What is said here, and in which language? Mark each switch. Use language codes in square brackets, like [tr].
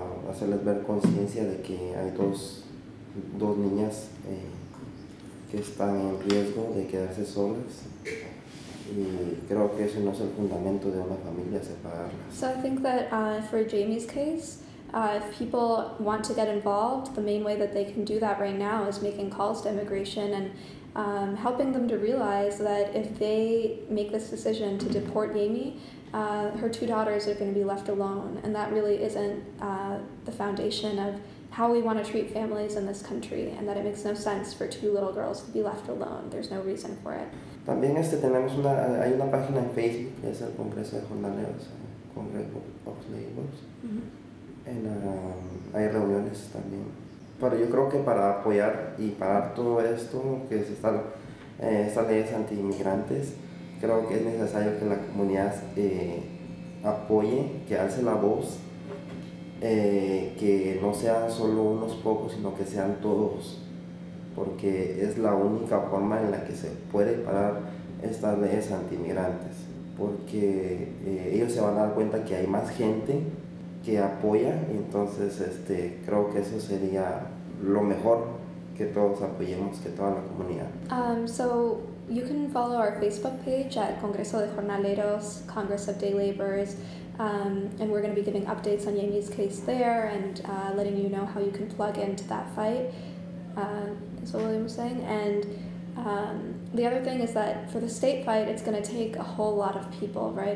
[es] Hacerles ver conciencia de que hay dos niñas que están en riesgo de quedarse solas, y creo que eso no es el fundamento de una familia, separarlas. [en] So I think that for Jamie's case, if people want to get involved, the main way that they can do that right now is making calls to immigration and helping them to realize that if they make this decision to deport Jamie, her two daughters are going to be left alone, and that really isn't the foundation of how we want to treat families in this country, and that it makes no sense for two little girls to be left alone. There's no reason for it. [es] También tenemos hay una página en Facebook que es el Congreso de Jornaleros, Congreso of Neighbors, mm-hmm. and hay reuniones también. Pero yo creo que para apoyar y parar todo esto, que es estas leyes anti-inmigrantes, creo que es necesario que la comunidad apoye, que alce la voz, que no sean solo unos pocos, sino que sean todos, porque es la única forma en la que se puede parar estas leyes anti-inmigrantes, porque ellos se van a dar cuenta que hay más gente que apoya, y entonces creo que eso sería lo mejor, que todos apoyemos, que toda la comunidad. [en] You can follow our Facebook page at Congreso de Jornaleros, Congress of Day Laborers, and we're going to be giving updates on Yami's case there and letting you know how you can plug into that fight, is what William was saying. And the other thing is that for the state fight, it's going to take a whole lot of people, right?